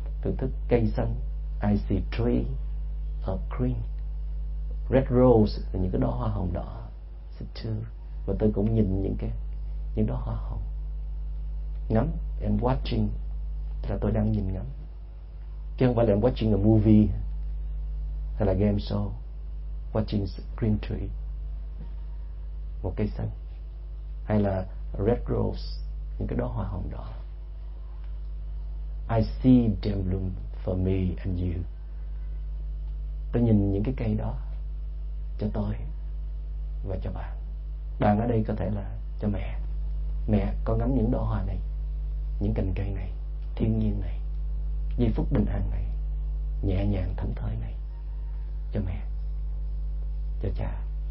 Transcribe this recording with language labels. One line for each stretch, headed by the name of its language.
Vietnamese: Thưởng thức cây xanh,
English: I see tree of green, red rose,
Vietnamese: là những cái đóa hoa hồng đỏ, và tôi cũng nhìn những đóa hoa hồng, ngắm,
English: I'm watching,
Vietnamese: là tôi đang nhìn ngắm, chứ không phải là
English: I'm watching a movie
Vietnamese: hay là game show,
English: watching green tree,
Vietnamese: một cây xanh, hay là
English: red rose,
Vietnamese: những cái đóa hoa hồng đỏ.
English: I see them bloom for me and you.
Vietnamese: Tôi nhìn những cái cây đó cho tôi và cho bạn. Bạn ở đây có thể là cho mẹ. Mẹ có ngắm những đóa hoa này, những cành cây này, thiên nhiên này, giây phút bình an này, nhẹ nhàng thảnh thơi này cho mẹ, cho cha.